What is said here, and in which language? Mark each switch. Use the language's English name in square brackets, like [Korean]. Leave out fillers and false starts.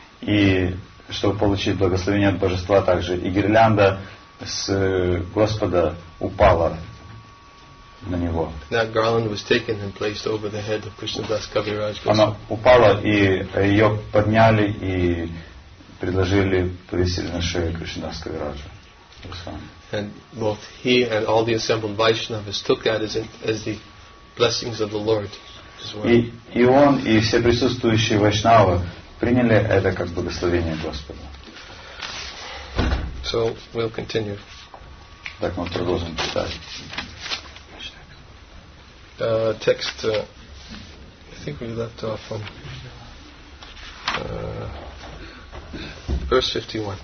[Russian] И чтобы получить благословение от божества также, и гирлянда с Господа упала на него. [English] That garland was taken and placed over the head of Krishnadas Kaviraj. [Russian] Она упала, и ее подняли и предложили повесили на шею Кришнадас Кавираджа. [English] And both he and all the assembled Vaishnavas took that as the blessings of the Lord as well. [Russian] И он, и все присутствующие вайшнавы приняли это как благословение Господа. [English] So we'll continue. [Russian] Так мы продолжим читать. [English] Text, I think we left off on verse 50.